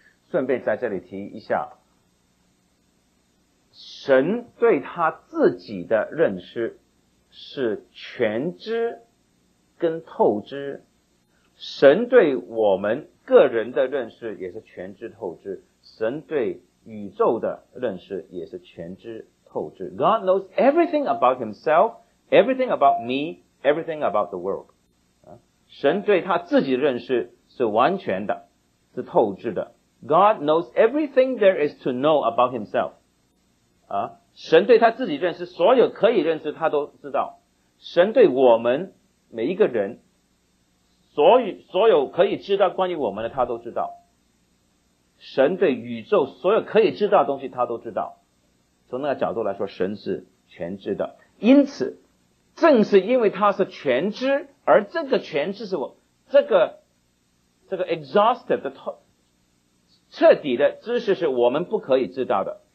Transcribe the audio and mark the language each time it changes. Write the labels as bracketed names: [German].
[Chinese] 顺便在这里提一下，神对他自己的认识是全知跟透知，神对我们个人的认识也是全知透知，神对宇宙的认识也是全知透知。 [English] God knows everything about himself, everything about me, everything about the world. [Chinese] 神对他自己的认识是完全的，是透知的。 [English] God knows everything there is to know about himself. [Chinese] 神对他自己认识，所有可以认识他都知道。神对我们每一个人，所有可以知道关于我们的他都知道。神对宇宙所有可以知道的东西他都知道。从那个角度来说，神是全知的。因此正是因为他是全知，而这个全知是我这个 exhaustive 的彻底的知识是我们不可以知道的。